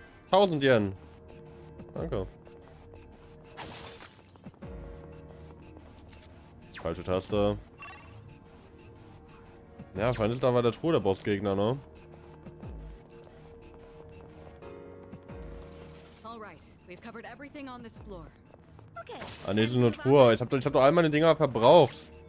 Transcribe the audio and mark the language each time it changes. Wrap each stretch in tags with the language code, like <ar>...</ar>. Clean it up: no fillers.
<de>Tausend Yen. Danke. Falsche Taste. Ja, scheint da war der Truhe der Bossgegner, ne?</de> <en>Alright, we've covered everything on this floor.</en> <de>Ah, ne, das ist nur Truhe. Ich hab doch all meine Dinger verbraucht.</de>